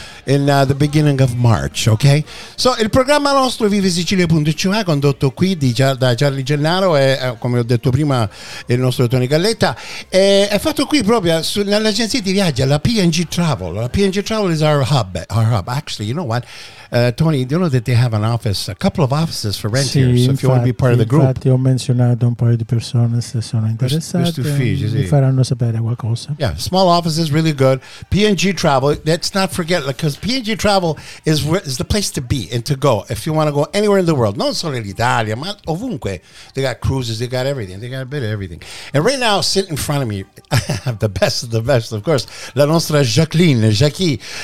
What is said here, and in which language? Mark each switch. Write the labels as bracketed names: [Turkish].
[English] In the beginning of March, ok? So, [Italian] il programma nostro vivesicilia.ca condotto qui da Charlie Gennaro e, come ho detto prima, il nostro Tony Galletta è fatto qui proprio nell'agenzia di viaggio, la PNG Travel. [English] La PNG Travel is our hub. Actually, you know what? Tony, do you know that they have an office, a couple of offices for rent, [Italian] sì, [English] here, so [Italian] infatti, [English] if you want to be part of the group. [Italian] Infatti ho menzionato un paio di persone se sono interessate, figli, mi faranno sapere qualcosa. [English] Yeah, small offices, really good. PNG Travel, let's not forget, because PNG Travel is the place to be and to go if you want to go anywhere in the world, [Italian] non solo in Italia, ma ovunque. [English] They got cruises, they got everything, they got a bit of everything. And right now, sitting in front of me, I have the best of the best, of course, [Italian] la nostra [English] Jacqueline, Jackie.